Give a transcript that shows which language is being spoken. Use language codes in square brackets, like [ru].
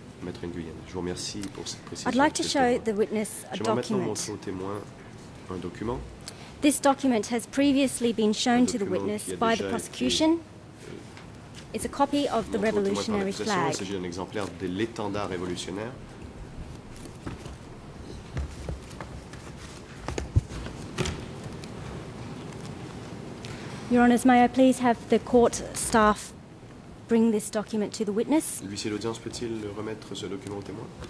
[fr] Maître Nguyen, je vous remercie pour cette précision. [en] I'd like to show the witness a document. [fr] J'aimerais maintenant montrer au témoin un document. [en] This document has previously been shown to the witness by the prosecution. It's a copy of the revolutionary flag. [fr] Il s'agit d'un exemplaire de l'étendard révolutionnaire. [en] Your Honours, may I please have the court staff bring this document to the witness? [fr] L'huissier d'audience peut-il remettre ce document au témoin?